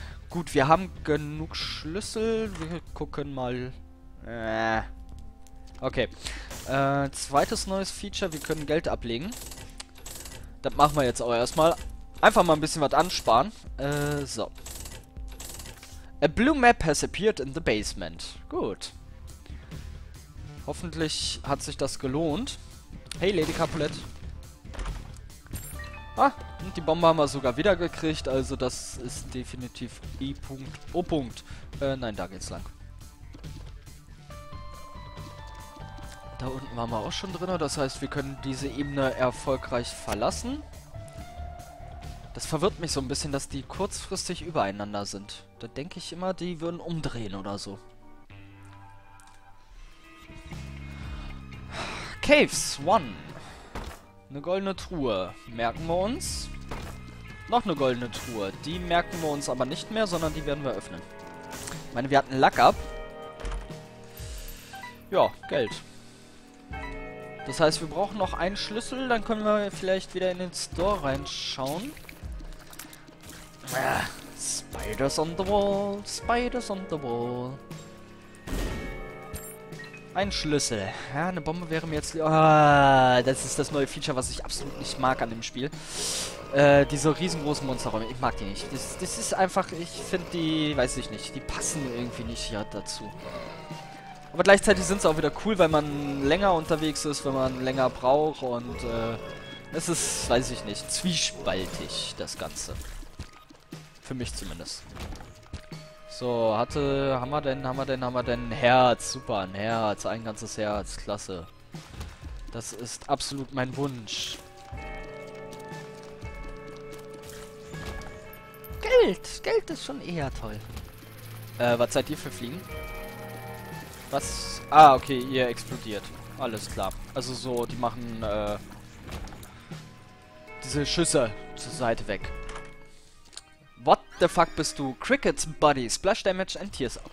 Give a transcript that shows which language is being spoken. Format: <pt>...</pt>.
<de>Gut, wir haben genug Schlüssel. Wir gucken mal... Okay. Zweites neues Feature. Wir können Geld ablegen. Das machen wir jetzt auch erstmal. Einfach mal ein bisschen was ansparen. So.</de> <en>A blue map has appeared in the basement.</en> <de>Gut. Hoffentlich hat sich das gelohnt. Hey, Lady Capulet. Ah, die Bombe haben wir sogar wieder gekriegt. Also das ist definitiv E-Punkt, O-Punkt. Nein, da geht's lang. Da unten waren wir auch schon drin, das heißt, wir können diese Ebene erfolgreich verlassen. Das verwirrt mich so ein bisschen, dass die kurzfristig übereinander sind. Da denke ich immer, die würden umdrehen oder so. Caves 1. Eine goldene Truhe. Merken wir uns. Noch eine goldene Truhe. Die merken wir uns aber nicht mehr, sondern die werden wir öffnen. Ich meine, wir hatten Luck up. Ja, Geld. Das heißt, wir brauchen noch einen Schlüssel, dann können wir vielleicht wieder in den Store reinschauen.</de> <en>Spiders on the wall, spiders on the wall.</en> <de>Ein Schlüssel. Ja, eine Bombe wäre mir jetzt... das ist das neue Feature, was ich absolut nicht mag an dem Spiel. Diese riesengroßen Monsterräume, ich mag die nicht. Das ist einfach, ich finde die, weiß ich nicht, die passen irgendwie nicht hier dazu. Aber gleichzeitig sind sie auch wieder cool, weil man länger unterwegs ist, wenn man länger braucht und es ist, weiß ich nicht, zwiespaltig, das Ganze. Für mich zumindest. So, haben wir denn ein Herz, super, ein Herz, ein ganzes Herz, klasse. Das ist absolut mein Wunsch. Geld ist schon eher toll. Was seid ihr für Fliegen? Was? Ah, okay, ihr explodiert. Alles klar. Also so, die machen diese Schüsse zur Seite weg.</de> <en>What the fuck</en> <de>bist du?</de> <en>Crickets, Buddy, Splash Damage and Tears.</en>